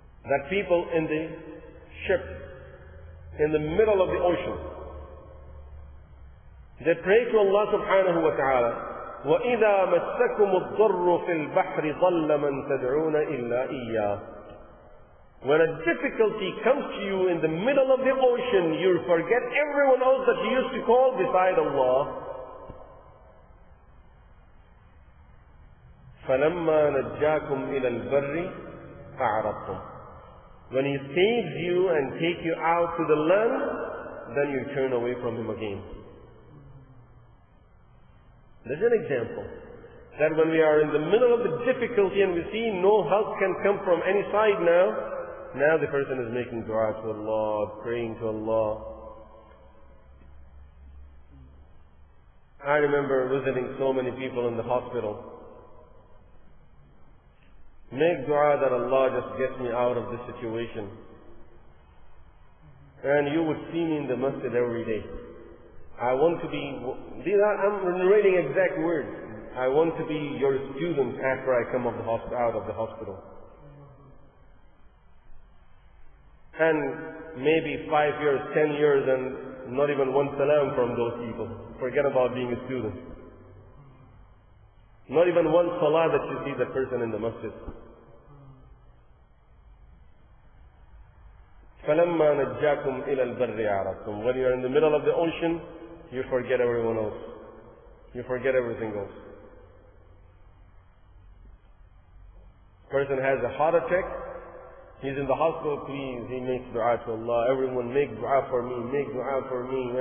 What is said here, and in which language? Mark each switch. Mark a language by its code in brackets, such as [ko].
[en] That people in the ship, in the middle of the ocean, they pray to Allah subhanahu wa ta'ala, [ar] وَإِذَا مَسَّكُمُ الضُّرُّ فِي الْبَحْرِ ضَلَّ مَنْ تَدْعُونَ إِلَّا إِيَّاهُ [en] When a difficulty comes to you in the middle of the ocean, you forget everyone else that you used to call beside Allah. [ar] فلما نجاكم الى البر اعرضتم. [en] When he saves you and take you out to the land, then you turn away from him again. There's an example that when we are in the middle of the difficulty and we see no help can come from any side now, now the person is making dua to Allah, praying to Allah. I remember visiting so many people in the hospital. Make dua that Allah just gets me out of this situation. And you would see me in the masjid every day. I want to be, I'm narrating exact words. I want to be your student after I come out of the hospital. And maybe 5 years, 10 years, and not even one salam from those people. Forget about being a student. Not even one salah that you see the person in the masjid. [ar] فلما نجاكم الى البر اعرضتم. [en] When you're in the middle of the ocean, you forget everyone else. You forget everything else. Person has a heart attack. He's in the hospital, please. He makes dua to Allah. Everyone make dua for me. Make dua for me.